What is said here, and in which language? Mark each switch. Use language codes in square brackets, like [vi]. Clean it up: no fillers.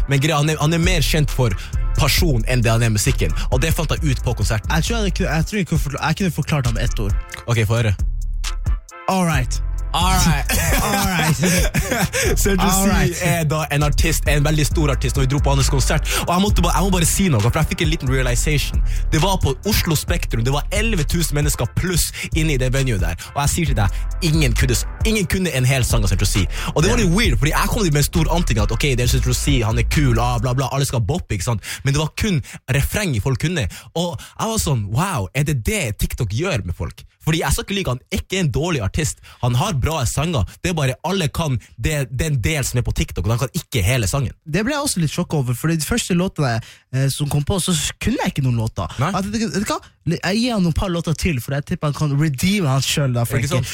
[no] Men greia, han er mer kjent for person enn det han er musikken. Og det fant jeg ut på konserten. Jeg tror jeg kunne forklart ham ett ord. Ok, får høre. [en] All right. All right. [sv] Central C är då en artist, en väldigt stor artist, och vi drog på hans konsert. Och jag måste bara säga något, för jag fick en liten realization. Det var på Oslo Spektrum. Det var 11 000 människor plus inne i det venue där. Och jag säger till dig, ingen kunde en hel sång av Central C. Och det var lite weird, för jag kom dit med en stor anting att okej, det är Central C, han är kul, ah, bla bla, alla ska boppa, [no] ikke sant? [sv] Men det var kun refräng folk kunde. Och jag var sån, wow, är det det TikTok gör med folk? [no] Fordi jeg skal ikke like, han er ikke en dårlig artist. Han har bra sanger. Det er bare alle kan den del som er på TikTok. Og han kan ikke hele sangen. Det ble jeg også litt sjokk over. Fordi de første låtene som kom på, så kunne jeg ikke noen låter. Jeg gir han noen par låter til, for jeg tipper han kan redeeme han selv da, Frankie.